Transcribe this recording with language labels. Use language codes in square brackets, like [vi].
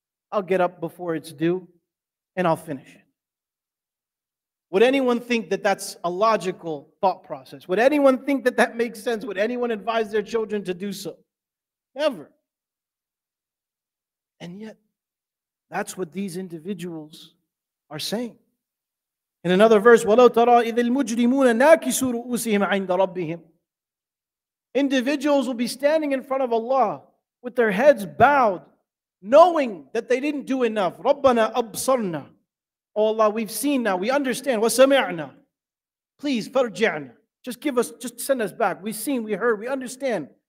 [en] I'll get up before it's due, and I'll finish it. Would anyone think that that's a logical thought process? Would anyone think that that makes sense? Would anyone advise their children to do so? Never. And yet, that's what these individuals are saying. In another verse, [ar] وَلَوْ تَرَى إِذِ الْمُجْرِمُونَ نَاكِسُوا رُؤُوسِهِمْ عِنْدَ رَبِّهِمْ. [en] Individuals will be standing in front of Allah with their heads bowed, knowing that they didn't do enough. [ar] رَبَّنَا أَبْصَرْنَا. [en] Oh Allah, we've seen now, we understand. [ar] وَسَمِعْنَا. [en] Please, [ar] فَرْجِعْنَا. [en] Just give us, just send us back. We've seen, we heard, we understand.